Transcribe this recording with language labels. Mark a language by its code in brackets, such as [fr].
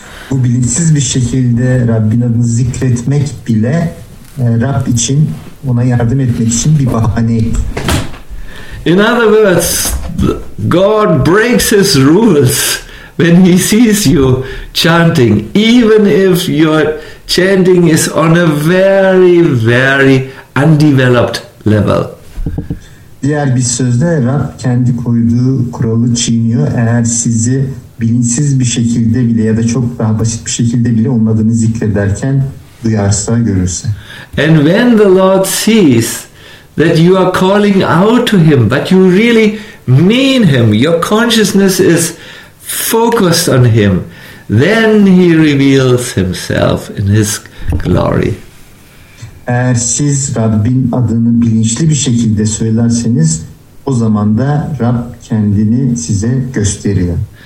[tr] Bu bilinçsiz bir şekilde Rabbin adını zikretmek bile Rab için, ona yardım etmek için bir bahane. [en] In other words, God breaks his rules when he sees you chanting, even if your chanting is on a very, very undeveloped level. [tr] Diğer bir sözde Rab kendi koyduğu kuralı çiğniyor, eğer sizi bilinçsiz bir şekilde bile ya da çok daha basit bir şekilde bile onun adını zikrederken duyarsa, görürse. [en] And when the Lord sees that you are calling out to him, but you really mean him, your consciousness is focused on him, then he reveals himself in his glory. [tr] Eğer siz Rabbin adını bilinçli bir şekilde söylerseniz, o zaman da Rab kendini size gösteriyor.